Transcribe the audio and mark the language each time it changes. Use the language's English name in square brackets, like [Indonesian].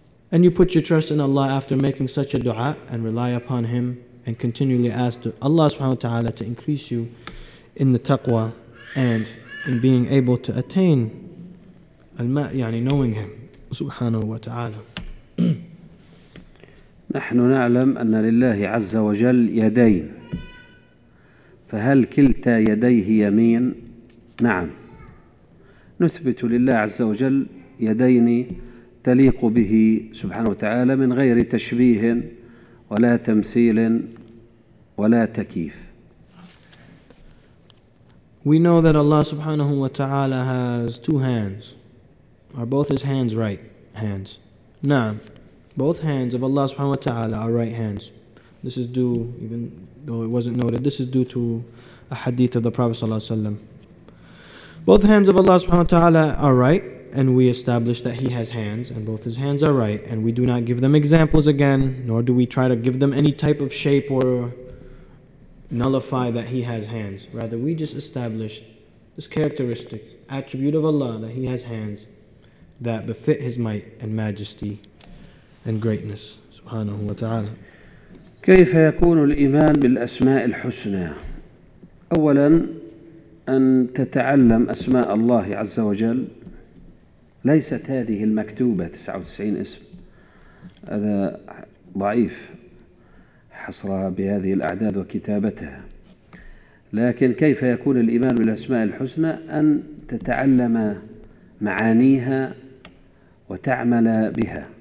[English] And you put your trust in Allah after making such a dua and rely upon Him and continually ask Allah subhanahu wa ta'ala to increase you in the taqwa and in being able to attain al-ma, يعني knowing him subhanahu wa ta'ala. [Arabic] نحن نعلم أن لله عز وجل يدين, فهل كلتا يديه يمين؟ نعم, نثبت لله عز وجل يدين تليق به سبحانه وتعالى من غير تشبيه ولا تمثيل ولا تكييف. [English] We know that Allah subhanahu wa ta'ala has two hands, Are both his hands right hands? Na'am. Both hands of Allah subhanahu wa ta'ala are right hands. This is due, even though it wasn't noted, this is due to a hadith of the Prophet sallallahu alaihi wasallam. Both hands of Allah subhanahu wa ta'ala are right, and we establish that he has hands, and both his hands are right, and we do not give them examples again, nor do we try to give them any type of shape or nullify that he has hands. Rather, we just establish this characteristic, attribute of Allah, that he has hands that befit his might and majesty and greatness. Subhanahu wa ta'ala. [Arabic] كيف يكون الإيمان بالأسماء الحسنى؟ أولا أن تتعلم أسماء الله عز وجل. ليست هذه المكتوبة 99 اسم، هذا ضعيف حصرها بهذه الأعداد وكتابتها، لكن كيف يكون الإيمان بالأسماء الحسنى؟ أن تتعلم معانيها وتعمل بها.